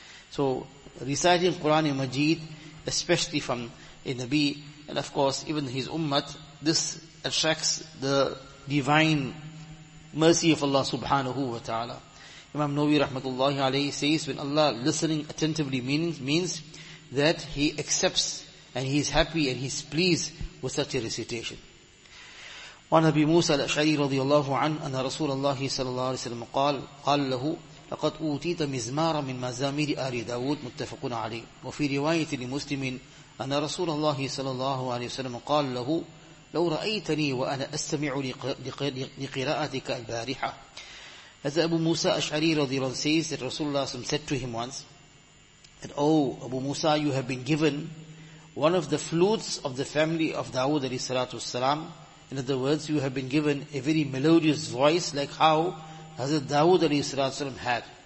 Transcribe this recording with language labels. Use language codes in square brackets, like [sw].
[en] So reciting Quran and Majid, especially from a Nabi, and of course even his ummah, this attracts the divine mercy of Allah subhanahu wa ta'ala. Imam Nawawi rahmatullahi alayhi says, when Allah listening attentively means that he accepts and he is happy and he is pleased with such a recitation. [ar] وعن أبي موسى الأشعري رضي الله عنه أن رسول الله صلى الله عليه وسلم قال له لقد أوتيت مزمارا من مزامير آل داود متفق عليه. وفي رواية لمسلم أن رسول الله صلى الله عليه وسلم قال له لو رأيتني وأنا أستمع لقراءتك البارحة. [en] As Abu Musa Ash'ari رضي الله عنه says that Rasulullah said to him once that, oh Abu Musa, you have been given one of the flutes of the family of Dawood alayhi salatu wasalam. In other words, you have been given a very melodious voice like how Hazrat Dawood alayhi salatu wasalam had.